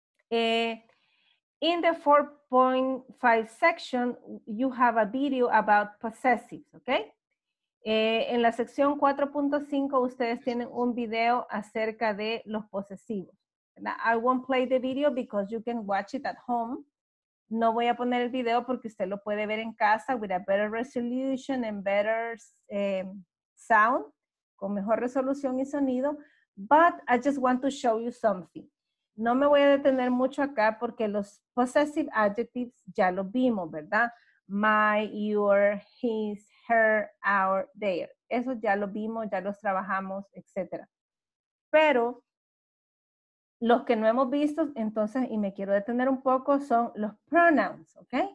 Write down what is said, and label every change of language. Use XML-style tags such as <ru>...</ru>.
<en>In the 4.5 section, you have a video about possessives, okay?</en> <es>En la sección 4.5, ustedes tienen un video acerca de los posesivos.</es> <en>I won't play the video because you can watch it at home.</en> <es>No voy a poner el video porque usted lo puede ver en casa</es> <en>with a better resolution and better sound,</en> <es>con mejor resolución y sonido.</es> <en>But I just want to show you something.</en> <es>No me voy a detener mucho acá porque los possessive adjectives ya lo vimos, ¿verdad?</es> <en>My, your, his, her, our, their.</en> <es>Eso ya lo vimos, ya los trabajamos, etc. Pero los que no hemos visto, entonces, y me quiero detener un poco, son los pronouns, ¿ok?</es>